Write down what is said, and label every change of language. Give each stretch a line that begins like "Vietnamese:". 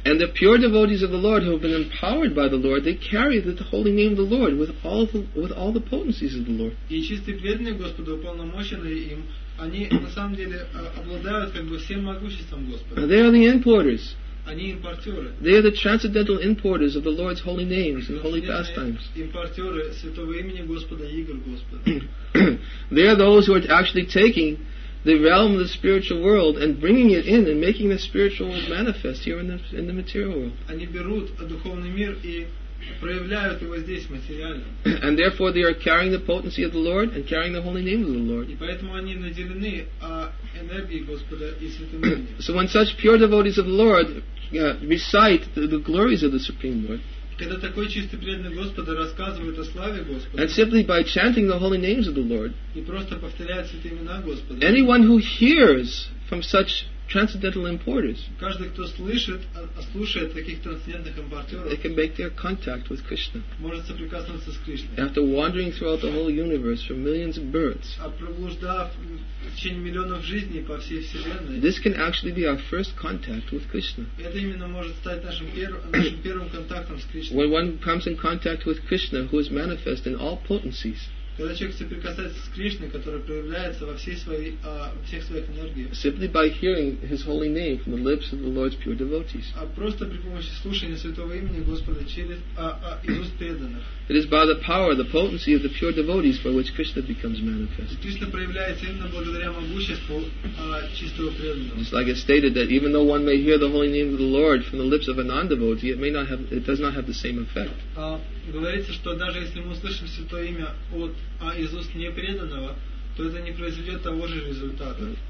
English: And the pure devotees of the Lord who have been empowered by the Lord, they carry the holy name of the Lord with all the potencies of the Lord.
Russian: И чистые преданные Господу, уполномоченные им, они на самом деле обладают как бы всем могуществом Господа.
English: They are the importers.
Russian: Они импортеры.
English: They are the transcendental importers of the Lord's holy names and holy pastimes.
Russian: Импортеры святого имени Господа и игр Господа.
English: They are those who are actually taking the realm of the spiritual world and bringing it in and making the spiritual world manifest here in the material world.
Russian: Они берут духовный мир и проявляют его здесь материально.
English: And therefore they are carrying the potency of the Lord and carrying the holy name of the Lord.
Russian: И поэтому они наделены энергией Господа и святым именем.
English: So when such pure devotees of the Lord recite the glories of the Supreme Lord,
Russian: когда такой чистый преданный Господа рассказывает о славе Господа,
English: and simply by chanting the holy names of the Lord,
Russian: и просто повторяет святые имена Господа,
English: anyone who hears from such transcendental importers,
Russian: каждый, кто слушает таких трансцендентных импортеров,
English: they can make their contact with Krishna.
Russian: Может соприкоснуться с Кришной.
English: After wandering throughout the whole universe for millions of births,
Russian: а проблуждав в течение миллионов жизней по всей вселенной,
English: this can actually be our first contact with Krishna.
Russian: Это именно может стать нашим первым контактом с Кришной.
English: When one comes in contact with Krishna, who is manifest in all potencies.
Russian: Когда человек соприкасается с Кришной, которая проявляется во всей своей, всех своих энергиях.
English: Simply by hearing his holy name from the lips of the Lord's pure devotees.
Russian: А просто при помощи слушания святого имени Господа через из уст преданных.
English: It is by the power, the potency of the pure devotees by which Krishna becomes manifest.
Russian: Кришна проявляется именно благодаря могуществу чистого преданного.
English: It's like it's stated that even though one may hear the holy name of the Lord from the lips of a non-devotee, it does not have the same effect.
Russian: Говорится, что даже если мы услышим святое имя из уст непреданного, то это не произведет того же результата.